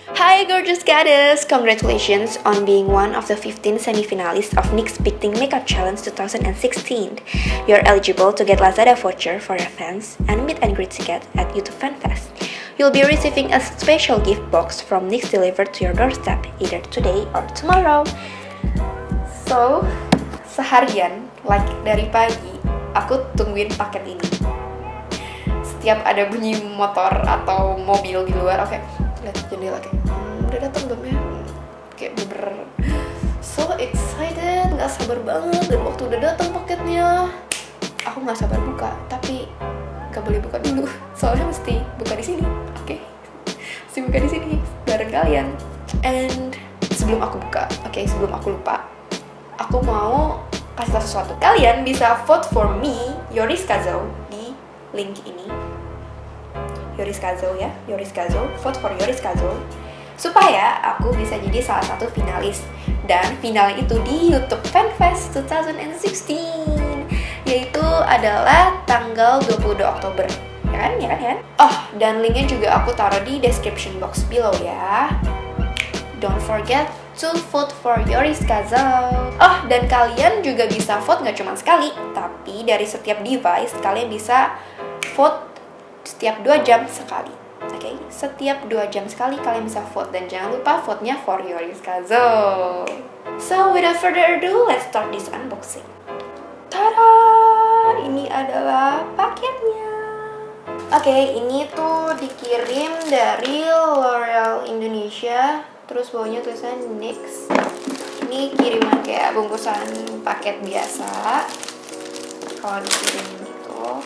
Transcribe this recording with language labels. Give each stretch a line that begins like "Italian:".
English: Hi gorgeous goddess, congratulations on being one of the 15 semifinalists of NYX Big Thing Makeup Challenge 2016. You're eligible to get Lazada voucher for your fans and meet and greet ticket at YouTube FanFest. You'll be receiving a special gift box from NYX delivered to your doorstep either today or tomorrow.
Indonesian: So, seharian, like dari pagi, aku tungguin paket ini. Setiap ada bunyi motor atau mobil di luar, oke, lihat jendela, kayak udah datang belum ya, kayak bener
English: so excited,
Indonesian: nggak sabar banget, dan waktu udah datang paketnya aku nggak sabar buka, tapi nggak boleh buka dulu soalnya mesti buka di sini, oke, mesti buka di sini bareng kalian. And sebelum aku buka, oke, sebelum aku lupa, aku mau kasih tahu sesuatu. Kalian bisa
English: vote for me,
Indonesian: Yoris Kazou, di link ini. Yoris Kazou ya, Yoris Kazou, vote for Yoris Kazou supaya aku bisa jadi salah satu finalis dan final itu di YouTube FanFest 2016, yaitu adalah tanggal 22 Oktober, ya kan, ya kan, ya kan? Oh, dan linknya juga aku taruh di description box below ya.
English: Don't forget to vote for Yoris Kazou.
Indonesian: Oh, dan kalian juga bisa vote nggak cuma sekali, tapi dari setiap device kalian bisa vote setiap 2 jam sekali. Oke, okay? Setiap 2 jam sekali kalian bisa vote, dan jangan lupa vote-nya for Yoris Kazou.
English: So, without further ado, let's start this unboxing.
Indonesian: Tada! Ini adalah paketnya. Oke, okay, ini tuh dikirim dari L'Oreal Indonesia, terus bawahnya tulisan NYX. Ini kiriman kayak bungkusan paket biasa kalau dikirim gitu.